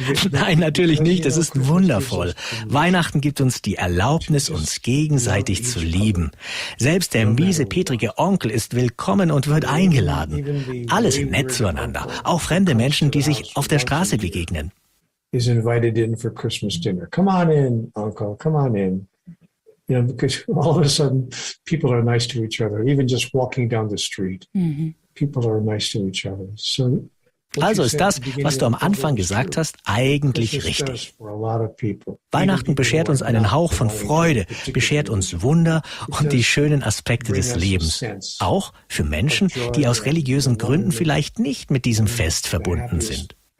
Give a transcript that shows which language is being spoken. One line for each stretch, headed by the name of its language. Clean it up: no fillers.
German: Nein, natürlich nicht. Es ist wundervoll. Weihnachten gibt uns die Erlaubnis, uns gegenseitig zu lieben. Selbst der miese, petrige Onkel ist willkommen und wird eingeladen. Alle sind nett zueinander, auch fremde Menschen, die sich auf der Straße begegnen.
English: is invited in for Christmas dinner. Come on in, uncle, come on in. You know, because all of a sudden people are nice to each other, even just walking down the street. Mm-hmm. People are nice to each other. So,
German: also ist das, was du am Anfang gesagt hast, eigentlich richtig. Weihnachten beschert uns einen Hauch von Freude, beschert uns Wunder und die schönen Aspekte des Lebens. Auch für Menschen, die aus religiösen Gründen vielleicht nicht mit diesem Fest verbunden sind.